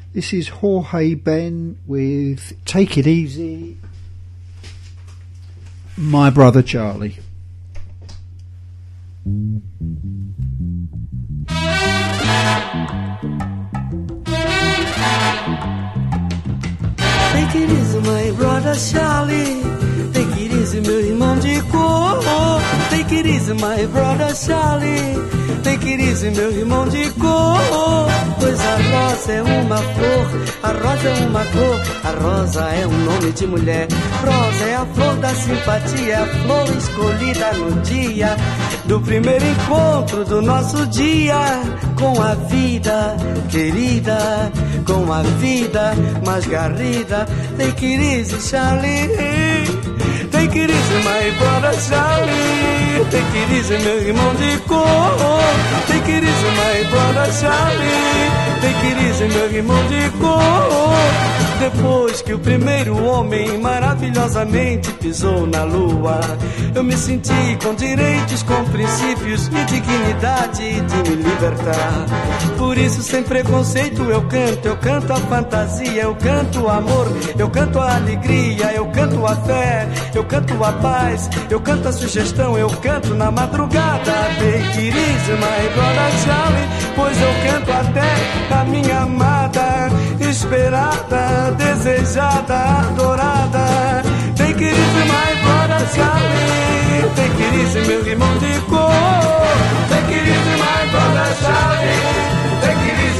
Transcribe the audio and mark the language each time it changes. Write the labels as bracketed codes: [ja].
[en] This is Jorge Ben with Take It Easy, My Brother Charlie. Take it easy, my brother Charlie. Take it easy, [pt] meu irmão de cor. [en] Take it easy, my brother Charlie. Take it easy, [pt] meu irmão de cor. Pois a rosa é uma flor, a rosa é uma cor. A rosa é um nome de mulher. Rosa é a flor da simpatia, a flor escolhida no dia do primeiro encontro do nosso dia. Com a vida, querida, com a vida mais garrida. [en] Take it easy, Charlie. Take it easy, my brother Charlie. Take it easy, [pt] meu irmão de cor. [en] Take it easy, my brother Charlie. Take it easy, [pt] meu irmão de cor. Depois que o primeiro homem maravilhosamente pisou na lua, eu me senti com direitos, com princípios e dignidade de me libertar. Por isso, sem preconceito, eu canto a fantasia, eu canto o amor, eu canto a alegria, eu canto a fé, eu canto a paz, eu canto a sugestão, eu canto na madrugada. [en] Take it easy, my brother Charlie, [pt] pois eu canto até a minha amada, esperada, desejada, adorada. [en] Take it easy, my brother Charlie. Take it easy, [pt] meu irmão de cor. [en] Take it easy, my brother Charlie.